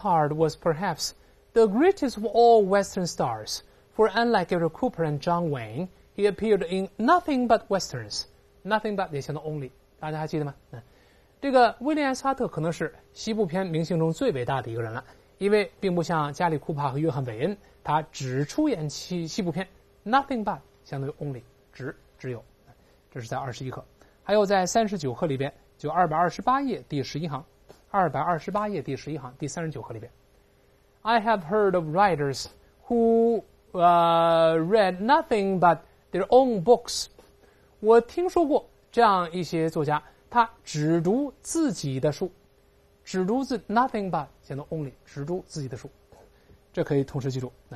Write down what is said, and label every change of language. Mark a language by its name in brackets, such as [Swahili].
[English] Hard was perhaps The greatest of all Western stars, for unlike Gary Cooper and John Wayne, he appeared in nothing but Westerns. Nothing but [Chinese] 也相当 [English] only. [Chinese] 大家还记得吗？这个威廉·沙特可能是西部片明星中最伟大的一个人了，因为并不像加里·库帕和约翰·韦恩，他只出演西部片。 Nothing but 相当于 only， 只有。这是在21课，还有在39课里边，就228页第十一行，228页第十一行第39课里边。 [English] I have heard of writers who read nothing but their own books. [Chinese] 我听说过这样一些作家，他只读自己的书，只读自 nothing but 相当 only， 只读自己的书。这可以同时记住。